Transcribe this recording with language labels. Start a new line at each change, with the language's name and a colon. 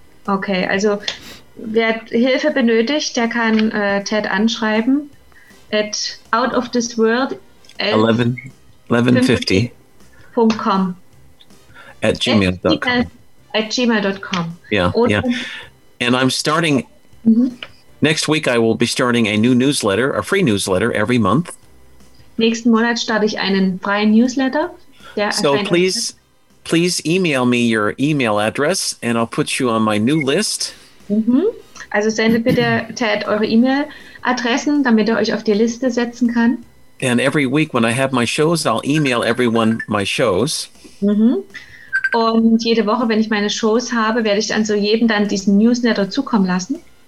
German: Okay, also wer Hilfe benötigt, der kann Ted anschreiben at outofthisworld1150.com. @gmail.com.
English: Yeah. And I'm starting next week. I will be starting a new newsletter, a free newsletter every month.
German: Nächsten Monat starte ich einen freien Newsletter.
English: So please. Please email me your email address and I'll put you on my new list. Mm-hmm.
German: Also sendet bitte Ted eure E-Mail-Adressen, damit er euch auf die Liste setzen kann.
English: And every week when I have my shows, I'll email everyone my shows. Mm-hmm.
German: Und jede Woche, wenn ich meine Shows habe, werde ich dann so jedem dann diesen Newsletter zukommen lassen.